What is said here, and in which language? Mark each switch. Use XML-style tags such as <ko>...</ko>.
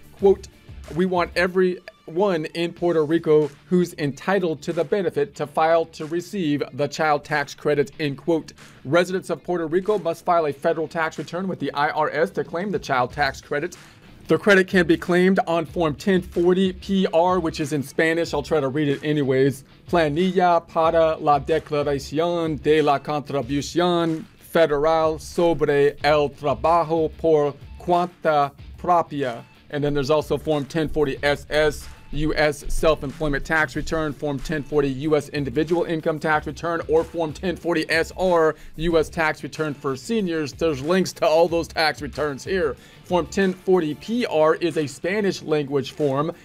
<en>Quote, we want everyone in Puerto Rico who's entitled to the benefit to file to receive the child tax credit, end quote. Residents of Puerto Rico must file a federal tax return with the IRS to claim the child tax credit. The credit can be claimed on Form 1040-PR, which is in Spanish. I'll try to read it anyways.</en> <es>Planilla para la Declaración de la Contribución Federal sobre el Trabajo por Cuenta Propia.</es> <en>And then there's also Form 1040-SS, U.S. Self-Employment Tax Return, Form 1040 U.S. Individual Income Tax Return, or Form 1040-SR, U.S. Tax Return for Seniors. There's links to all those tax returns here. Form 1040-PR is a Spanish language form.</en>